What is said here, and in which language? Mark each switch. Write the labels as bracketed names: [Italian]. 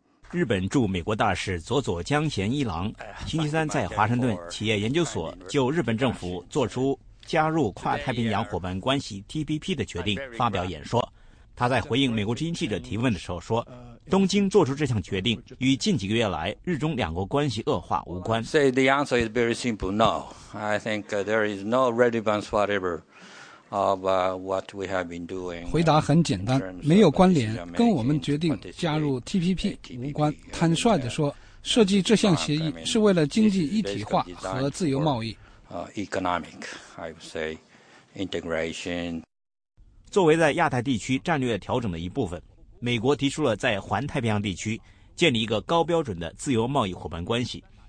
[Chinese] 日本驻美国大使佐佐江贤一郎星期三在华盛顿企业研究所就日本政府做出加入跨太平洋伙伴关系 TPP 的决定发表演说。他在回应美国之音记者提问的时候说，东京做出这项决定与近几个月来日中两国关系恶化无关。 [English] Say the answer is very simple. No, I think there is no relevance whatever of what we have been doing. [Chinese] 回答很简单，没有关联，跟我们决定加入 TPP 无关。坦率地说，设计这项协议是为了经济一体化和自由贸易。 [English] Economic, I would say, integration. [Chinese] 作为在亚太地区战略调整的一部分。美国提出了在环太平洋地区建立一个高标准的自由贸易伙伴关系。